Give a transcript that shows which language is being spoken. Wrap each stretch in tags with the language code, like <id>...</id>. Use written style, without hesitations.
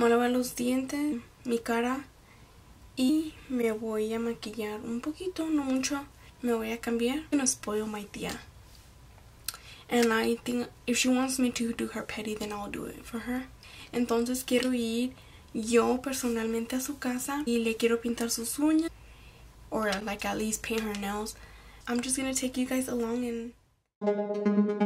<es>los dientes, mi cara y me voy a maquillar un poquito, no mucho. Me voy a cambiar.</es> <en>I'm gonna spoil my tía. And I think if she wants me to do her pedi, then I'll do it for her.</en> <es>Entonces quiero ir yo personalmente a su casa y le quiero pintar sus uñas.</es> <en>Or like at least paint her nails. I'm just gonna take you guys along and...</en>